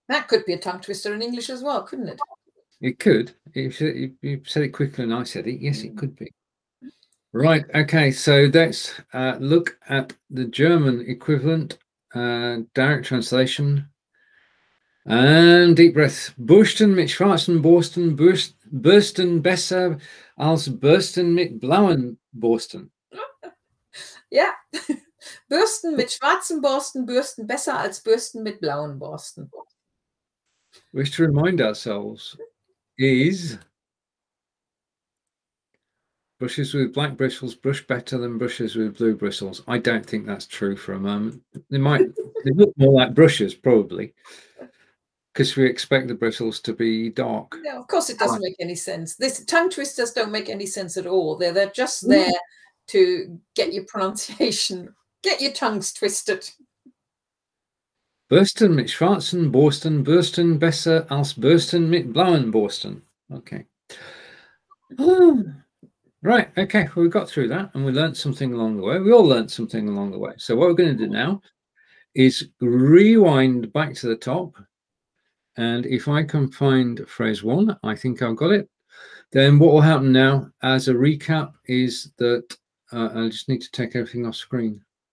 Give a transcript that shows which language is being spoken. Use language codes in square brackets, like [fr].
[en] That could be a tongue twister in English as well, couldn't it? It could. You said it quicker than I said it. Yes, it could be. Right. Okay. So let's look at the German equivalent, direct translation. And deep breath. [de] Bürsten mit schwarzen Borsten, Bürsten besser als Bürsten mit blauen Borsten. Ja. Bürsten mit schwarzen Borsten, Bürsten besser als Bürsten mit blauen Borsten. [en] We should remind ourselves. Is brushes with black bristles brush better than brushes with blue bristles? I don't think that's true for a moment. They might they look more like brushes, probably, because we expect the bristles to be dark. No, of course it doesn't make any sense. This tongue twisters don't make any sense at all. They're just there to get your pronunciation, get your tongues twisted. [de] Bürsten mit schwarzen Borsten, Bürsten besser als Bürsten mit blauen Borsten. [en] Okay. Right, okay, well, we got through that and we learned something along the way. We all learned something along the way. So what we're going to do now is rewind back to the top. And if I can find phrase one, I think I've got it. Then what will happen now as a recap is that I just need to take everything off screen.